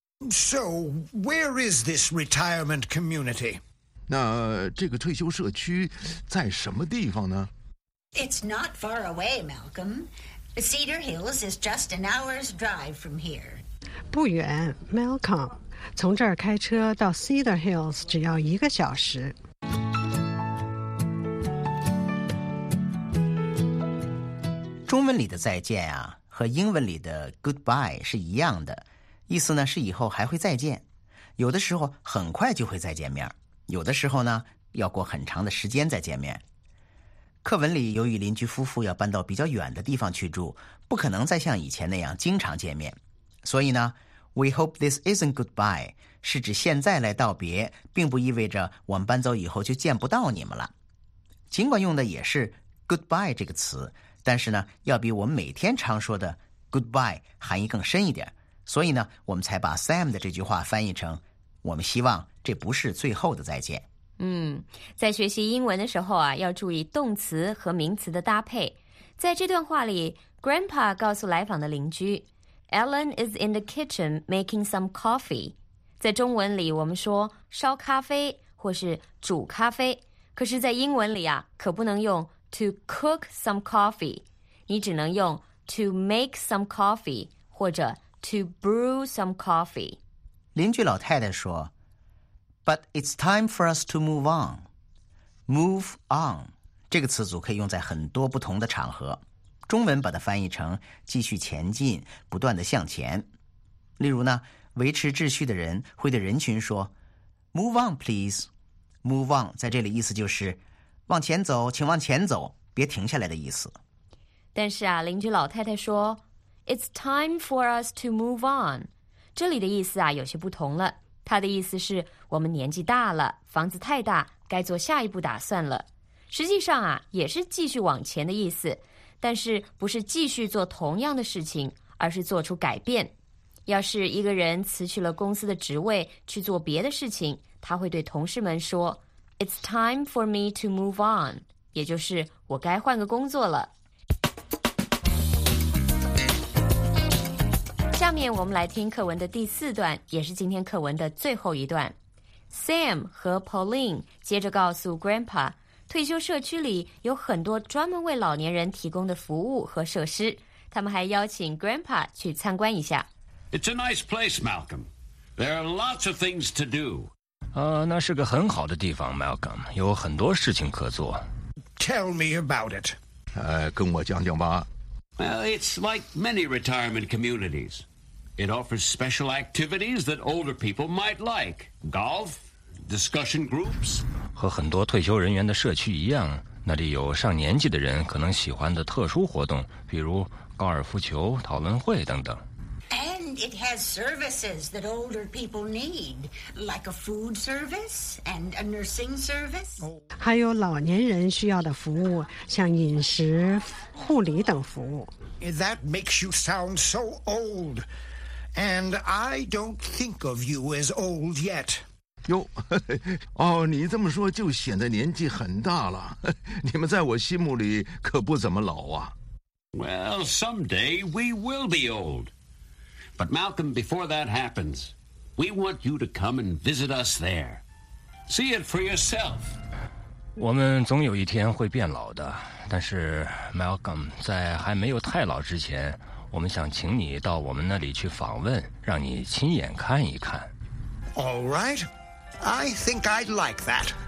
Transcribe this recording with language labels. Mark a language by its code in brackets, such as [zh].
[en] So, where is this retirement community? [zh] 那这个退休社区在什么地方呢? [en] It's not far away, Malcolm. Cedar Hills is just an hour's drive from here. [zh] 不远, Malcolm. 从这儿开车到 Cedar Hills 只要一个小时。中文里的再见啊,和英文里的 goodbye 是一样的。意思呢是以后还会再见，有的时候很快就会再见面，有的时候呢要过很长的时间再见面。课文里由于邻居夫妇要搬到比较远的地方去住，不可能再像以前那样经常见面，所以呢 [en] We hope this isn't goodbye [zh] 是指现在来道别，并不意味着我们搬走以后就见不到你们了。尽管用的也是 goodbye 这个词，但是呢要比我们每天常说的 goodbye 含义更深一点，所以呢我们才把 Sam 的这句话翻译成我们希望这不是最后的再见。嗯，在学习英文的时候啊，要注意动词和名词的搭配。在这段话里 Grandpa 告诉来访的邻居 [en] Ellen is in the kitchen making some coffee。 [zh] 在中文里我们说烧咖啡或是煮咖啡，可是在英文里啊，可不能用 [en] to cook some coffee， [zh] 你只能用 [en] to make some coffee [zh] 或者 [en] To brew some coffee. [zh] 邻居老太太说 [en] But it's time for us to move on. Move on. [zh] 这个词组可以用在很多不同的场合。中文把它翻译成继续前进，不断地向前。例如呢，维持秩序的人会对人群说 [en] Move on, please. [zh] Move on 在这里意思就是往前走，请往前走，别停下来的意思。但是啊，邻居老太太说 [en] It's time for us to move on. [zh] 这里的意思啊，有些不同了。它的意思是我们年纪大了，房子太大，该做下一步打算了。实际上啊，也是继续往前的意思，但是不是继续做同样的事情，而是做出改变。要是一个人辞去了公司的职位去做别的事情，他会对同事们说 [en] It's time for me to move on. [zh] 也就是我该换个工作了。下面我们来听课文的第四段，也是今天课文的最后一段。 Sam 和 Pauline 接着告诉 Grandpa， 退休社区里有很多专门为老年人提供的服务和设施，他们还邀请 Grandpa 去参观一下。 [en] It's a nice place, Malcolm. There are lots of things to do. [zh] 那是个很好的地方 ，Malcolm， 有很多事情可做。 [en] Tell me about it. [zh] 跟我讲讲吧。 [en] Well, it's like many retirement communities. It offers special activities that older people might like. Golf, discussion groups. [zh] 和很多退休人员的社区一样，那里有上年纪的人可能喜欢的特殊活动，比如高尔夫球、讨论会等等。 [en] And it has services that older people need, like a food service and a nursing service. [zh] 还有老年人需要的服务，像饮食、护理等服务。 [en] That makes you sound so old. And I don't think of you as old yet. [zh] 哟，哦，你这么说就显得年纪很大了。你们在我心目里可不怎么老啊。 [en] Well, someday we will be old. But Malcolm, before that happens, we want you to come and visit us there. See it for yourself. [zh] 我们总有一天会变老的，但是 Malcolm, 在还没有太老之前，我们想请你到我们那里去访问，让你亲眼看一看。 [en] All right. I think I'd like that.